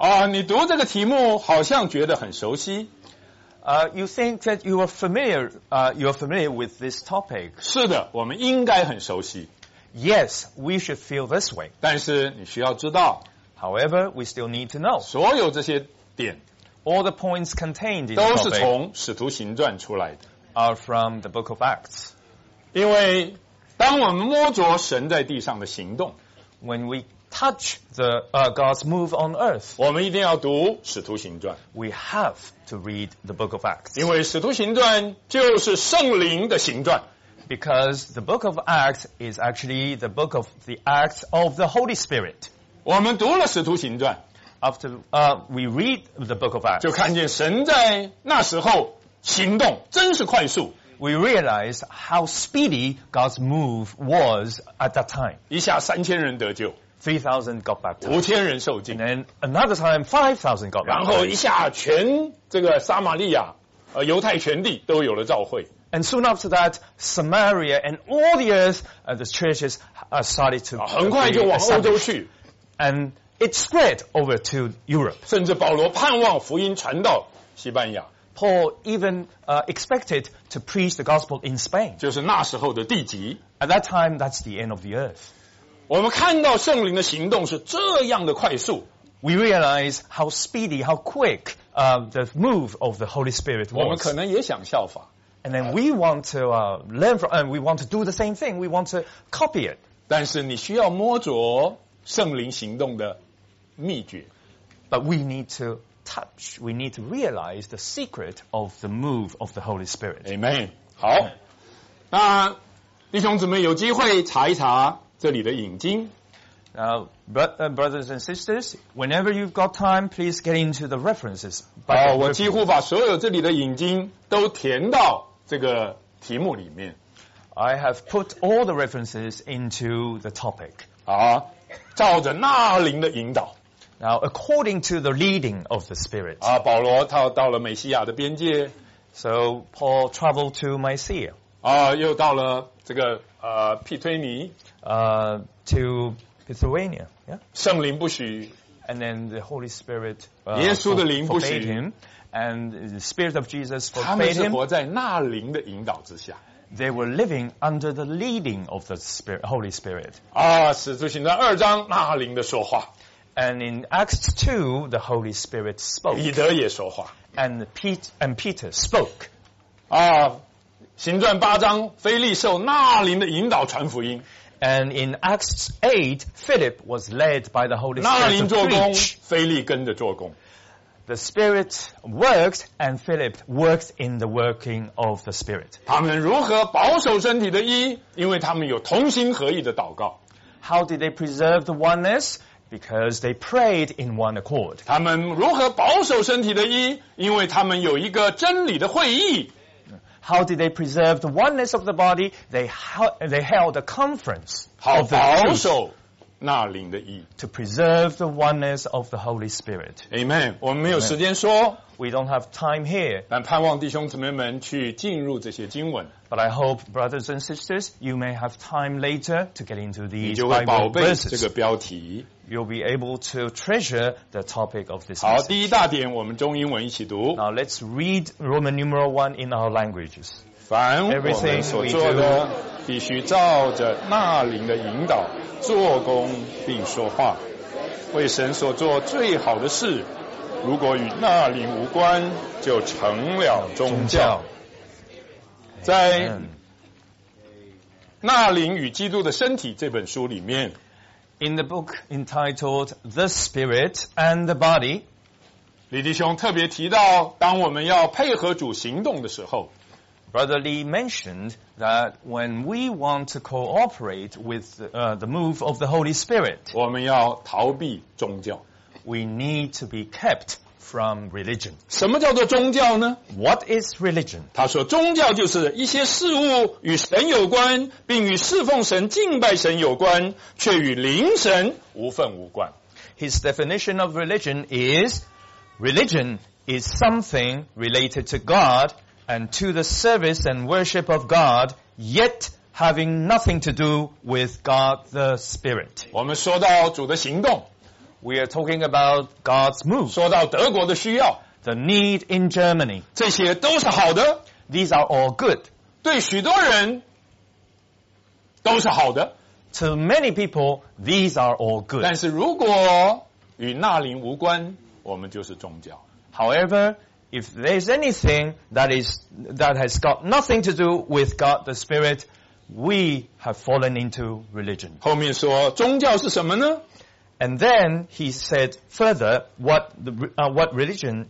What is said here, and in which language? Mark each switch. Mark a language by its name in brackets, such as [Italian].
[Chinese] 你读这个题目好像觉得很熟悉。 [English] You think that you are familiar, you are familiar with this topic. [Chinese] 是的，我们应该很熟悉。 [English] Yes, we should feel this way. [Chinese] 但是你需要知道。 [English] However, we still need to know. [Chinese] 所有这些点。 [English] All the points contained in this topic. [Chinese] 都是从使徒行传出来的。 [English] Are from the book of Acts. [Chinese] 因为当我们摸着神在地上的行动。 [English] When we touch the, God's move on earth. [Chinese] 我们一定要读使徒行传。 [English] We have to read the book of Acts. [Chinese] 因为使徒行传就是圣灵的行传。 [English] Because the book of Acts is actually the book of the Acts of the Holy Spirit. [Chinese] 我们读了使徒行传。 [English] After, we read the book of Acts. [Chinese] 就看见神在那时候行动真是快速。 [English] We realized how speedy God's move was at that time. [Chinese] 一下三千人得救。 [English] 3,000 got baptized. [Chinese] 5,000人受浸。 [English] And then another time, 5,000 got baptized. [Chinese] 然后一下全这个撒玛利亚、犹太全地都有了召会。 [English] And soon after that, Samaria and all the earth, the churches started to, [Chinese] 很快就往欧洲去。 [English] And it spread over to Europe. [Chinese] 甚至保罗盼望福音传到西班牙。 [English] Paul even expected to preach the gospel in Spain. [Chinese] 就是那时候的地极。 [English] At that time, that's the end of the earth. [Chinese] 我们看到圣灵的行动是这样的快速。 [English] We realize how speedy, how quick, the move of the Holy Spirit was. [Chinese] 我们可能也想效法。 [English] And then we want to, learn from, we want to do the same thing. We want to copy it. [Chinese] 但是你需要摸着圣灵行动的秘诀。 [English] But we need to touch, we need to realize the secret of the move of the Holy Spirit. [Chinese] Amen. 好。那弟兄姊妹有机会查一查。这里的引经 [English] brothers and sisters, whenever you've got time, please get into the references. [Chinese] 我几乎把所有这里的引经都填到这个题目里面。 [English] I have put all the references into the topic. [Chinese] 照着那灵的引导。 [English] Now, according to the leading of the Spirit. [Chinese] 保罗他到了美西亚的边界。 [English] So, Paul traveled to Mysia. [Chinese] 又到了这个庇推尼。 [English] To Pithuania, yeah. [Chinese] 圣灵不许。 [English] And then the Holy Spirit, [Chinese] 耶稣的灵不许。 [English] Forbade him, and the Spirit of Jesus forbade him. [Chinese] 他们是活在那灵的引导之下。 [English] They were living under the leading of the Spirit, Holy Spirit. [Chinese] 使徒行传二章那灵的说话。 [English] And in Acts 2, the Holy Spirit spoke. [Chinese] 彼得也说话。 [English] And Peter spoke. [Chinese] 行传八章腓力受那灵的引导传福音。 [English] And in Acts 8, Philip was led by the Holy Spirit. [Chinese] 那灵做工，腓力跟着做工。 [English] The Spirit worked, and Philip worked in the working of the Spirit. [Chinese] 他们如何保守身体的一？因为他们有同心合意的祷告。 [English] How did they preserve the oneness? Because they prayed in one accord. [Chinese] 他们如何保守身体的一？因为他们有一个真理的会议。 [English] How did they preserve the oneness of the body? They held a conference. [Chinese] 好保守那灵的义。 [English] To preserve the oneness of the Holy Spirit. [Chinese] Amen. 我们没有时间说。 [English] We don't have time here. [Chinese] 但盼望弟兄姊妹们去进入这些经文。 [English] But I hope, brothers and sisters, you may have time later to get into these Bible verses. [Chinese] 你就会宝贝这个标题。 [English] You'll be able to treasure the topic of this message. [Chinese] 好，第一大点，我们中英文一起读。 [English] Now let's read Roman numeral 1 in our languages. [Chinese] 凡我们所做的，必须照着那灵的引导做工并说话，为神所做最好的事。如果与那灵无关，就成了宗教。在《那灵与基督的身体》这本书里面 [English] ，In the book entitled "The Spirit and the Body"， [Chinese] 李弟兄特别提到，当我们要配合主行动的时候 [English] ，Brother Lee mentioned that when we want to cooperate with the move of the Holy Spirit， [Chinese] 我们要逃避宗教。 [English] We need to be kept from religion. [Chinese] 什么叫做宗教呢？ [English] What is religion? [Chinese] 他说宗教就是一些事物与神有关，并与侍奉神、敬拜神有关，却与灵神无分无关。 [English] His definition of religion is religion is something related to God and to the service and worship of God, yet having nothing to do with God the Spirit. [Chinese] 我们说到主的行动， [English] We are talking about God's move. [Chinese] 说到德国的需要， [English] The need in Germany. [Chinese] 这些都是好的， [English] These are all good. [Chinese] 对许多人都是好的， [English] To many people, these are all good. [Chinese] 但是如果与那灵无关，我们就是宗教。 [English] However, if there's anything that has got nothing to do with God the Spirit, we have fallen into religion. [Chinese] 后面说宗教是什么呢？ [English] And then he said further what religion is.